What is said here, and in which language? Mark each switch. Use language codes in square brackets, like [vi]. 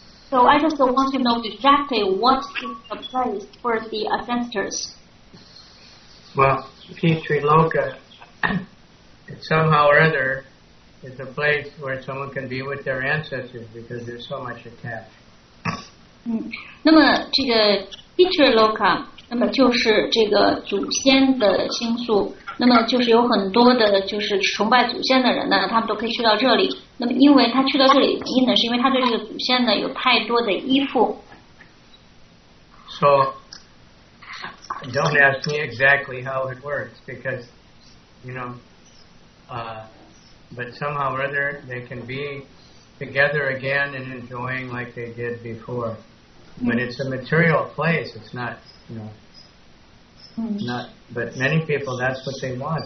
[en] So I just want to know exactly what is the place for the ancestors. Well, Kshetriloka, somehow or other, is a place where someone can be with their ancestors because there's so much attached. [zh] 那么这个 Kshetriloka, 那么就是这个祖先的星宿, 那么就是有很多的就是崇拜祖先的人呢, 他们都可以去到这里, 那么因为他去到这里的原因呢, 是因为他对这个祖先呢, 有太多的依附。 [en] So, don't ask me exactly how it works, because, you know, but somehow or other, they can be together again and enjoying like they did before. But it's a material place, it's not, you know, not, but many people, that's what they want.